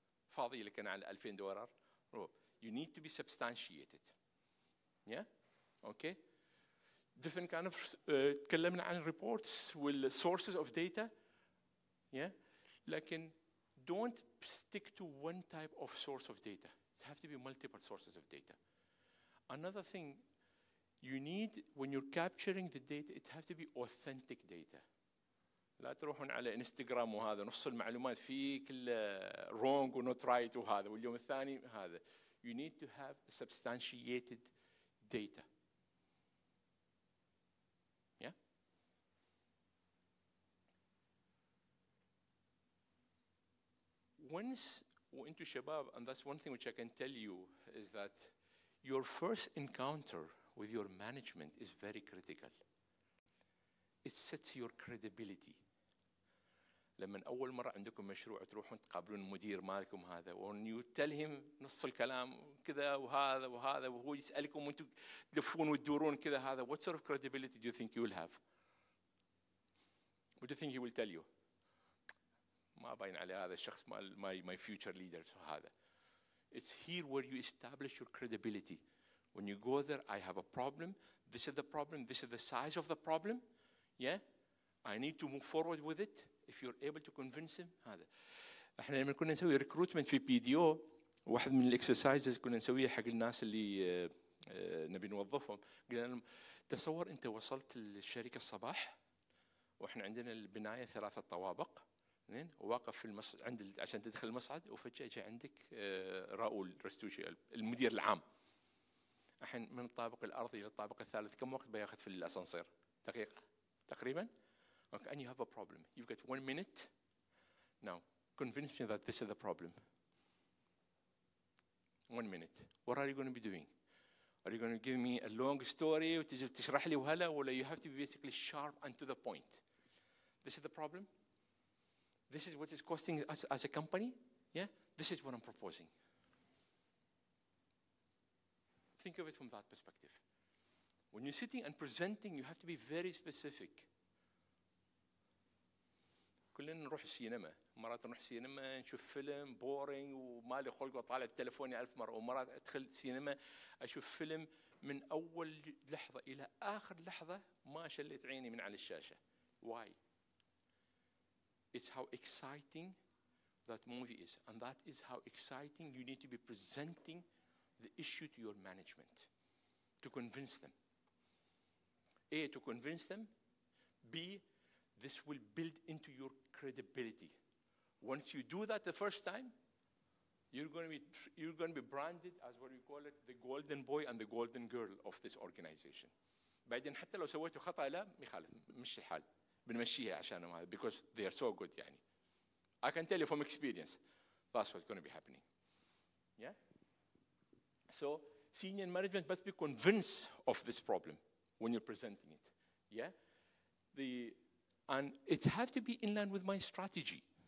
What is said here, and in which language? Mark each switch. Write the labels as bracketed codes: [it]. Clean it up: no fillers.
[ar] فاضي لك أنا على [en] $2,000 you need to be substantiated yeah okay different kind of [ar] تكلمنا عن [en] reports وال sources of data yeah [ar] لكن [en] don't stick to one type of source of data. It have to be multiple sources of data. Another thing you need when you're capturing the data, it have to be authentic data. [ar] لا تروحون على انستغرام وهذا نص المعلومات فيه كل wrong و [en] not right [ar] وهذا واليوم الثاني هذا. [en] You need to have substantiated data. Once, [ar] وانتو شباب, [en] and that's one thing which I can tell you, is that your first encounter with your management is very critical. It sets your credibility. [ar] لما أول مرة عندكم مشروع تروحون تقابلون مدير مالكم هذا, [en] when you tell him [ar] نص الكلام كذا وهذا وهذا وهو يسألكم وانتو تلفون وتدورون كذا هذا, [en] what sort of credibility do you think you will have? What do you think he will tell you? [ar] ما باين على هذا الشخص [en] my future leader [ar] هذا. [en] It's here where you establish your credibility. When you go there, I have a problem. This is the problem. This is the size of the problem. Yeah, I need to move forward with it. If you're able to convince him, [ar] هذا. إحنا لما كنا نسوي recruitment في PDO, واحد من الexercises كنا نسويه حق الناس اللي نبي نوظفهم. قلنا لهم تصور أنت وصلت للشركة الصباح, وإحنا عندنا البناية 3 طوابق. نين واقف في المصعد عند عشان تدخل المصعد وفجأة جاء عندك راؤول رستوشي المدير العام. الحين من الطابق الأرضي للطابق الثالث كم وقت بياخذ في الأسانسير؟ دقيقة تقريبا. [en] Okay, and you have a problem. You've got 1 minute. Now convince me that this is the problem. 1 minute. What are you going to be doing? Are you going to give me a long story [ar] وتجي تشرح لي وهلا, [en] ولا you have to be basically sharp and to the point. This is the problem. This is what is costing us as a company. Yeah, this is what I'm proposing. Think of it from that perspective. When you're sitting and presenting, you have to be very specific. [ar] كلنا نروح السينما. مرات نروح السينما نشوف فيلم boring ومالي خلق وطالع التلفوني 1000 مرة. ومرات أدخل السينما أشوف فيلم من أول لحظة إلى آخر لحظة ما شليت عيني من على الشاشة. [en] Why? It's how exciting that movie is. And that is how exciting you need to be presenting the issue to your management to convince them. A, to convince them. B, this will build into your credibility. Once you do that the first time, you're going to be branded as what we call it, the golden boy and the golden girl of this organization. [ar] بعدين حتى لو سويتوا خطأ لا مخالف مش الحال. بنمشيها عشان ما [en] because they are so good يعني I can tell you from experience that's what's going to be happening yeah so senior management must be convinced of this problem when you're presenting it yeah the and it have to be in line with my strategy